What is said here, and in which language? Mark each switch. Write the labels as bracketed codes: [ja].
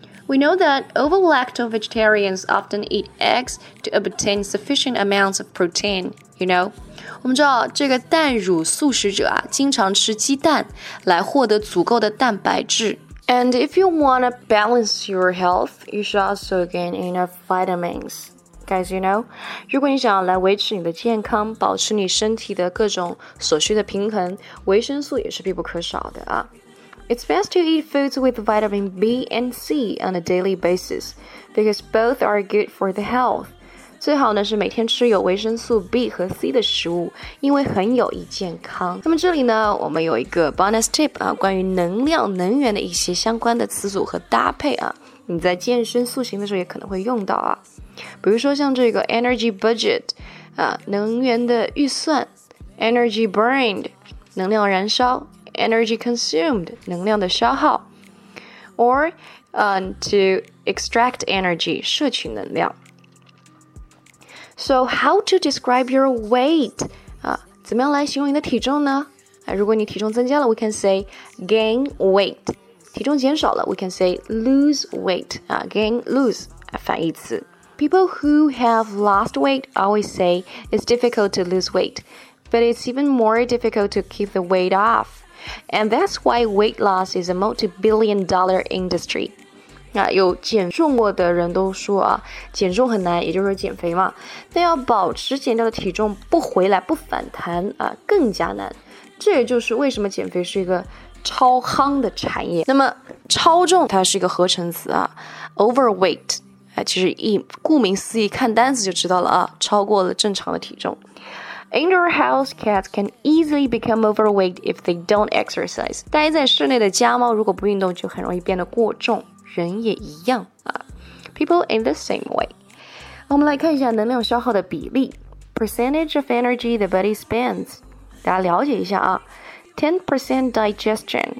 [en] We know that overlacto vegetarians often eat eggs to obtain sufficient amounts of protein, you know? [zh] 我们知道这个蛋乳素食者啊，经常吃鸡蛋来获得足够的蛋白质。 [en] And if you want to balance your health, you should also gain enough vitamins. Guys, you know, [zh] 如果你想要来维持你的健康，保持你身体的各种所需的平衡，维生素也是必不可少的啊。 [en] It's best to eat foods with vitamin B and C on a daily basis, because both are good for the health. [zh] 最好呢是每天吃有维生素 B 和 C 的食物，因为很有益健康。那么这里呢，我们有一个 bonus tip 啊，关于能量、能源的一些相关的词组和搭配啊，你在健身塑形的时候也可能会用到啊。比如说像这个 [en] energy budget [zh] 啊，能源的预算 ， [en] energy burned [zh] 能量燃烧 ， [en] energy consumed [zh] 能量的消耗 ， [en] or to extract energy [zh] 摄取能量。 [en] So how to describe your weight? [zh] 怎么样来形容你的体重呢？如果你体重增加了 [en] we can say gain weight. [zh] 体重减少了 [en] we can say lose weight. [zh] Gain, lose, 反义词。 [en] People who have lost weight always say it's difficult to lose weight, but it's even more difficult to keep the weight off. And that's why weight loss is a multi-billion dollar industry. [zh] 有减重过的人都说啊，减重很难，也就是减肥嘛。但要保持减掉的体重不回来不反弹啊，更加难。这也就是为什么减肥是一个超夯的产业。那么超重它是一个合成词啊 ，overweight 啊，其实一顾名思义看单词就知道了啊，超过了正常的体重。 [en] Indoor house cats can easily become overweight if they don't exercise。 [zh] 待在室内的家猫如果不运动，就很容易变得过重。人也一样啊 [en] ，people in the same way。 [zh] 我们来看一下能量消耗的比例 [en] ，percentage of energy the body spends。 [zh] 大家了解一下啊 ，10% [en] digestion，